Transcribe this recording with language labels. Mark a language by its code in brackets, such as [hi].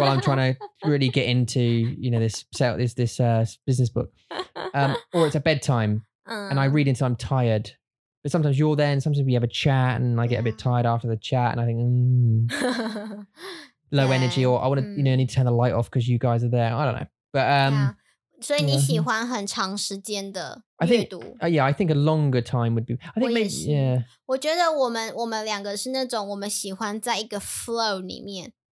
[en] Well, I'm trying to really get into, you know, this business book. Or it's a bedtime and I read until I'm tired. But sometimes you're there and sometimes we have a chat and I get a bit tired after the chat and I think, low energy or I want to, you know, I need to turn the light off because you guys are there. I don't know. But, [zh] 所以你喜欢很长时间的阅读 [en] yeah, I think a longer time would be, I think maybe, yeah. [zh] 我觉得我们两个是那种我们喜欢在一个 flow 里面。